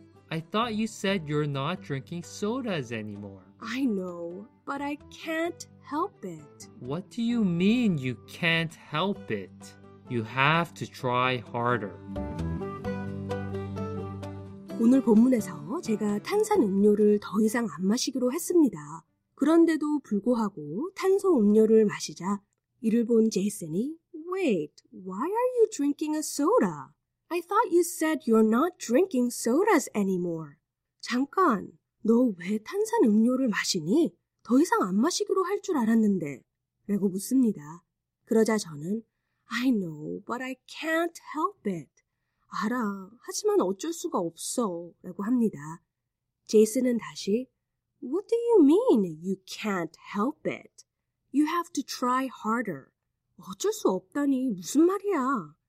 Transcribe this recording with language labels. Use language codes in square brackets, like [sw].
[en] I thought you said you're not drinking sodas anymore. I know, but I can't help it. What do you mean you can't help it? You have to try harder. [ko] 오늘 본문에서 제가 탄산 음료를 더 이상 안 마시기로 했습니다. 그런데도 불구하고 탄소 음료를 마시자 이를 본 제이슨이 [en] Wait, why are you drinking a soda? I thought you said you're not drinking sodas anymore. [ko] 잠깐, 너 왜 탄산 음료를 마시니? 더 이상 안 마시기로 할 줄 알았는데. 라고 묻습니다. 그러자 저는 [en] I know, but I can't help it. [ko] 알아, 하지만 어쩔 수가 없어. 라고 합니다. 제이슨은 다시 [en] What do you mean you can't help it? You have to try harder. [ko] 어쩔 수 없다니 무슨 말이야?